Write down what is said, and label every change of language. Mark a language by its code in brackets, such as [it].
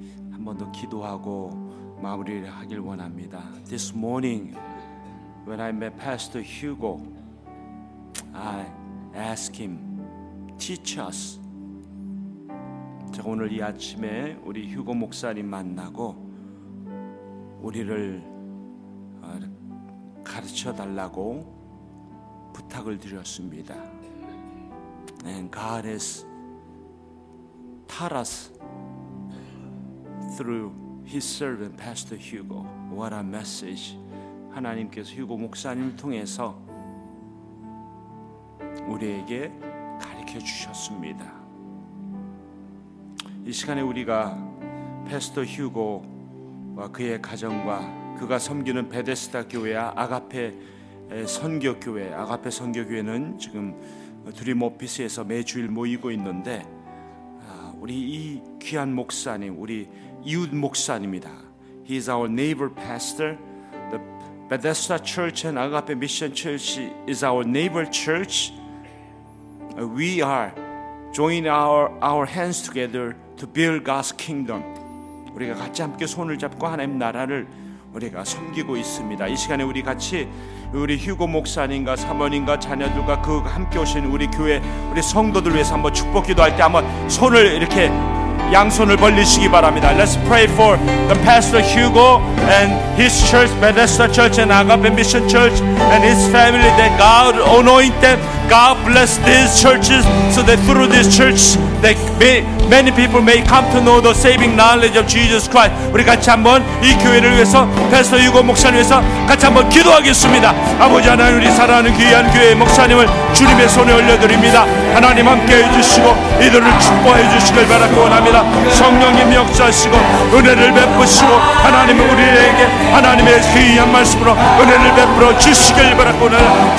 [ko] 한 번 더 기도하고 마무리를 하길 원합니다. [en] This morning, when I met Pastor Hugo, I asked him, teach us. [ko] 제가 오늘 이 아침에 우리 휴고 목사님 만나고 우리를 가르쳐달라고 부탁을 드렸습니다. [en] And God has taught us through His servant, Pastor Hugo. What a message! [ko] 하나님께서 휴고 목사님을 통해서 우리에게 가르쳐 주셨습니다. 이 시간에 우리가 Pastor Hugo와 그의 가정과 그가 섬기는 베데스다 교회와 아가페 선교 교회, 아가페 선교 교회는 지금 드림 오피스에서 매주일 모이고 있는데 우리 이 귀한 목사님 우리 이웃 목사님입니다. [en] He is our neighbor pastor. The Bethesda Church and Agape Mission Church is our neighbor church. We are joining our hands together to build God's kingdom. [ko] 우리가 같이 함께 손을 잡고 하나님 나라를 우리가 섬기고 있습니다. 이 시간에 우리 같이 우리 휴고 목사님과 사모님과 자녀들과 그 함께 오신 우리 교회 우리 성도들 위해서 한번 축복기도 할 때 한번 손을 이렇게 양손을 벌리시기 바랍니다. [en] Let's pray for the Pastor Hugo and his church, Bethesda Church and Agape Mission Church and his family that God anoint them God bless these churches so that through this church that many people may come to know the saving knowledge of Jesus Christ. [ko] 우리 같이 한번 이 교회를 위해서 패스터 유고 목사님 위해서 같이 한번 기도하겠습니다. 아버지 하나님 우리 사랑하는 귀한 교회의 목사님을 주님의 손에 올려드립니다. 하나님 함께 해주시고 이들을 축복해 주시길 바라고 원합니다. 성령님 역사하시고 은혜를 베푸시고 하나님은 우리에게 하나님의 귀한 말씀으로 은혜를 베풀어 주시길 바라고 원합니다.